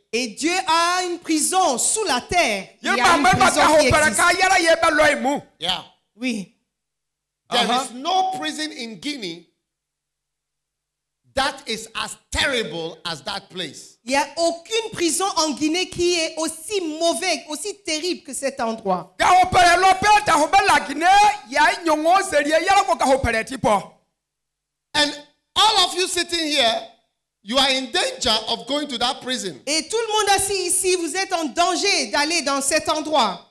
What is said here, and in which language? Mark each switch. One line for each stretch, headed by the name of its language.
French: Et Dieu a une prison sous la terre. Il y a une prison qui existe.
English: Yeah.
French: Oui.
English: There is no prison in Guinea that is as terrible as that place.
French: Il y a aucune prison en Guinée qui est aussi mauvaise, aussi terrible que cet endroit.
English: And all of you sitting here, you are in danger of going to that prison.
French: Et tout le monde assis ici, vous êtes en danger d'aller dans cet endroit.